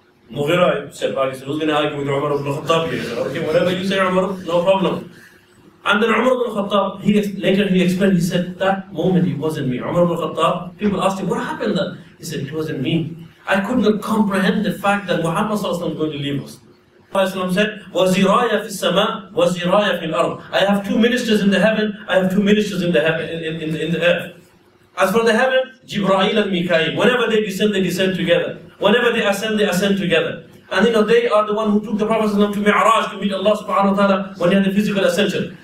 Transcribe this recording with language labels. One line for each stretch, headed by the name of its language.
English: Mughira said, who's going to argue with Umar ibn al-Khattab here? Okay, whatever you say, Umar, no problem. And then Umar ibn al-Khattab, he explained, he said, that moment it wasn't me. Umar ibn al-Khattab, people asked him, what happened then? He said, it wasn't me. I could not comprehend the fact that Muhammad sallallahu alayhi wa sallam is going to leave us.
Arabic: Prophet said, وَزِرَايَ فِي السَّمَاءِ وَزِرَايَ فِي الْأَرْضِ.
English: I have two ministers in the heaven, I have two ministers in the heaven, in the earth. As for the heaven, Jibra'il and Mikael. Whenever they descend together. Whenever they ascend together. And you know, they are the one who took the Prophet to Mi'raj to meet Allah subhanahu wa ta'ala when he had the physical ascension.